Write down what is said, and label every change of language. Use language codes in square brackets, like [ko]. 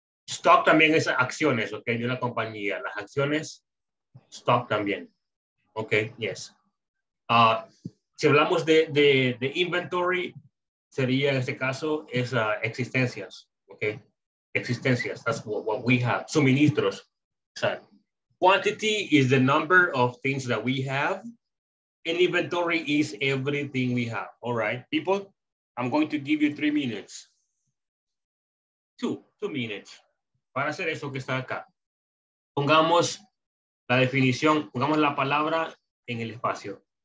[es] Stock también es acciones, okay, de una compañía. Las acciones, stock también. Okay, yes. Si hablamos de inventory, sería en este caso, es existencias. [en] Okay, existencias, that's what we have. Suministros. So, quantity is the number of things that we have. And inventory is everything we have. All right, people, I'm going to give you 3 minutes. Two minutes. [es] Para hacer eso que está acá, pongamos la definición, pongamos la palabra en el espacio.